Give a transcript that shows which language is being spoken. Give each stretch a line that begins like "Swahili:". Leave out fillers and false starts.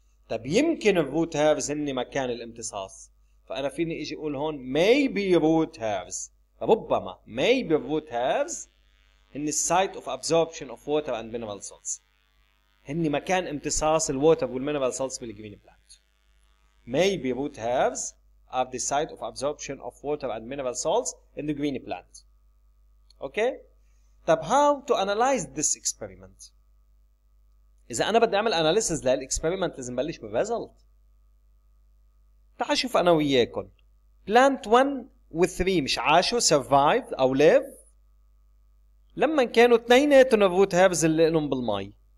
Arabic: طب يمكن الروت هيرز هن مكان الامتصاص. فانا فيني اجي اقول هون
English: maybe root hairs ربما maybe root hairs هن السايت of absorption of water and mineral salts.
Arabic: هن مكان امتصاص الووتر والمينرال سولتس بالجرين بلانت.
English: maybe root hairs are the site of absorption of water and mineral salts in the green plant.
Arabic: اوكي؟ طب
English: how to analyze this experiment؟
Arabic: إذا أنا بدي أعمل analysis للإكسبيرمنت لازم بلش بالريزلت. تعال شوف أنا وياكم. Plant 1 و 3 مش عاشوا survived أو live؟ لما كانوا اثنيناتهم الروت هيرز اللي لهم بالمي.